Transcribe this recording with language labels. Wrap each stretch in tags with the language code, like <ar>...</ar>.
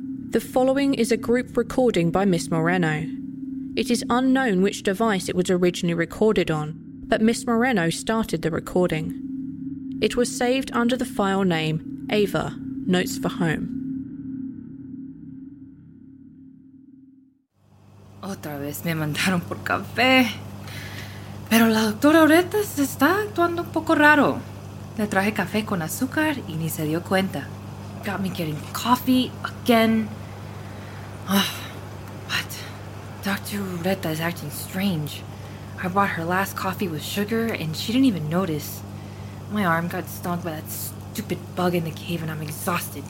<en>The following is a group recording by Miss Moreno. It is unknown which device it was originally recorded on, but Miss Moreno started the recording. It was saved under the file name Ava, Notes for Home.</en> <es>Otra vez me mandaron por café. Pero la doctora Ureta se está actuando un poco raro. Le traje café con azúcar y ni se dio cuenta.</es> <en>Got me getting coffee again. Ugh, what? Dr. Ureta is acting strange. I bought her last coffee with sugar and she didn't even notice. My arm got stung by that stupid bug in the cave and I'm exhausted.</en>